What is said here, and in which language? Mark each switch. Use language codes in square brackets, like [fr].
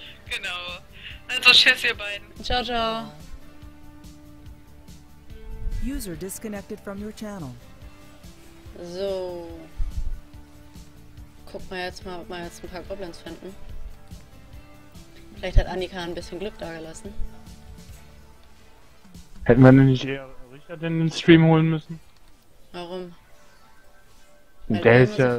[de] Genau. Also tschüss ihr beiden. Ciao, ciao. [en] User disconnected from your channel. [de] So. Guck mal jetzt mal, ob wir jetzt ein paar Goblins finden. Vielleicht hat Annika ein bisschen Glück dagelassen. Hätten wir denn nicht eher Richard in den Stream holen müssen? Warum? Weil der ist so ja.